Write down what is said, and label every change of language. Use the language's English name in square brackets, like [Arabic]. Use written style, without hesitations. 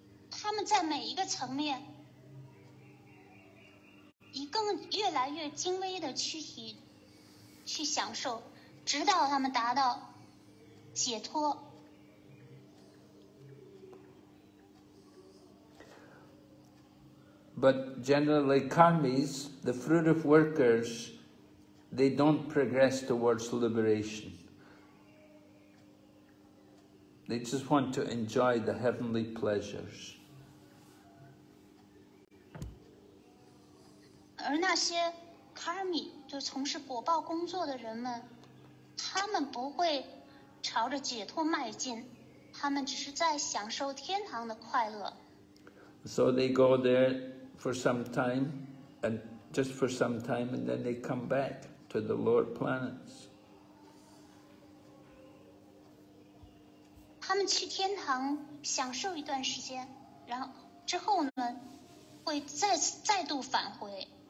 [Chinese] 他们在每一个层面以更越来越精微的躯体去享受，直到他们达到解脱。 [English] But generally, karmis, the fruit of workers, they don't progress towards liberation. They just want to enjoy the heavenly pleasures. [Chinese] 而那些 karmi, 就从事果报工作的人们，他们不会朝着解脱迈进，他们只是在享受天堂的快乐。 [English] So they go there. For some time, and just for some time, and then they come back to the lower planets. [Chinese] 他们去天堂享受一段时间，然后之后呢，会再度返回。